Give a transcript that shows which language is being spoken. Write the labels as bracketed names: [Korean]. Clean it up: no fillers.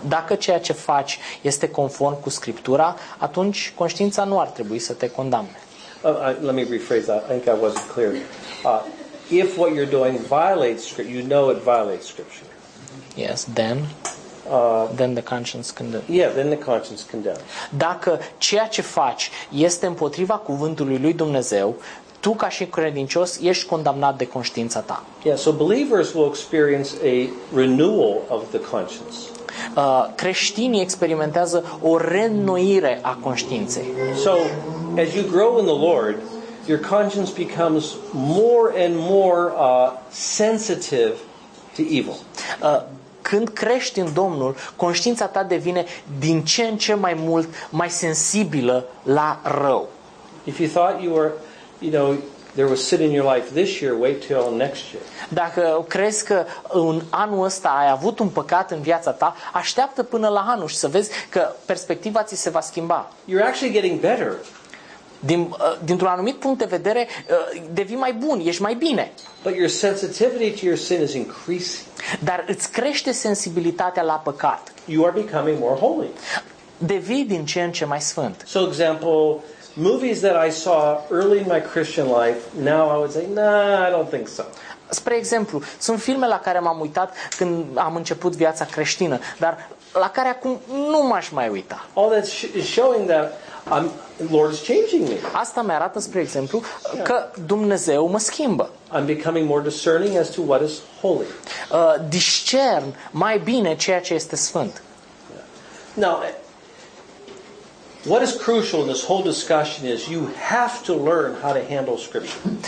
[Romanian] Dacă ceea ce faci este conform cu Scriptura, atunci conștiința nu ar trebui să te condamne. [English] Let me rephrase that. I think I wasn't clear. If what you're doing violates Scripture, you know it violates Scripture. Yes, then the conscience condemns. Yeah, then the conscience condemns. [Romanian] Dacă ceea ce faci este împotriva cuvântului lui Dumnezeu, tu ca și credincios ești condamnat de conștiința ta. [English] Yeah, so believers will experience a renewal of the conscience. [Romanian] Creștinii experimentează o reînnoire a conștiinței. [English] So, as you grow in the Lord, your conscience becomes more and more sensitive to evil. [Romanian] Când crești în Domnul, conștiința ta devine din ce în ce mai mult mai sensibilă la rău. [English] If you thought you were, you know, there was sin in your life this year, wait till next year. [Romanian] Dacă crezi că în anul ăsta ai avut un păcat în viața ta, așteaptă până la anul și să vezi că perspectiva ți se va schimba. [English] You're actually getting better. [Romanian] Dintr-un anumit punct de vedere, devii mai bun, ești mai bine. [English] But your sensitivity to your sin is increasing. [Romanian] Dar îți crește sensibilitatea la păcat. [English] You are becoming more holy. [Romanian] Devii din ce în ce mai sfânt. [English] So, example, movies that I saw early in my Christian life, now I would say, nah, I don't think so. [Romanian] Spre exemplu, sunt filme la care m-am uitat când am început viața creștină, dar la care acum nu m-aș mai uita. [English] All that is showing that Lord is changing me. [Romanian] Asta mi arată, spre exemplu, că Dumnezeu mă schimbă. [English] I'm becoming more discerning as to what is holy. [Romanian] Discern mai bine ceea ce este sfânt. [English] Now, what is crucial in this whole discussion is you have to learn how to handle Scripture.